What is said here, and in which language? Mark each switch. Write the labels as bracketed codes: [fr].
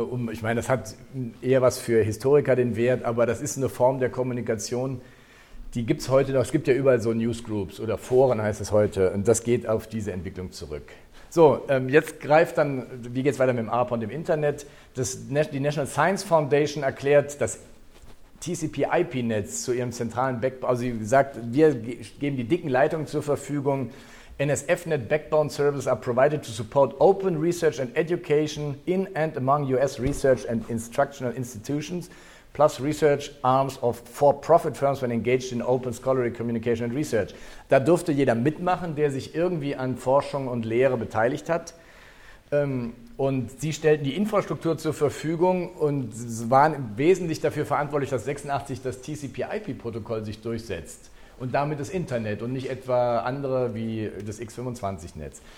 [de] Ich meine, das hat eher was für Historiker den Wert, aber das ist eine Form der Kommunikation, die gibt es heute noch. Es gibt ja überall so Newsgroups oder Foren, heißt es heute. Und das geht auf diese Entwicklung zurück. So, jetzt greift dann, wie geht es weiter mit dem ARPA und dem Internet? Die National Science Foundation erklärt, dass TCP-IP-Netz zu ihrem zentralen Backbone, also sie sagt, wir geben die dicken Leitungen zur Verfügung. [en] NSFnet Backbone Services are provided to support open research and education in and among US research and instructional institutions, plus research arms of for-profit firms when engaged in open scholarly communication and research. [de] Da durfte jeder mitmachen, der sich irgendwie an Forschung und Lehre beteiligt hat. Und sie stellten die Infrastruktur zur Verfügung und waren wesentlich dafür verantwortlich, dass 86 das TCP-IP-Protokoll sich durchsetzt und damit das Internet und nicht etwa andere wie das X25-Netz.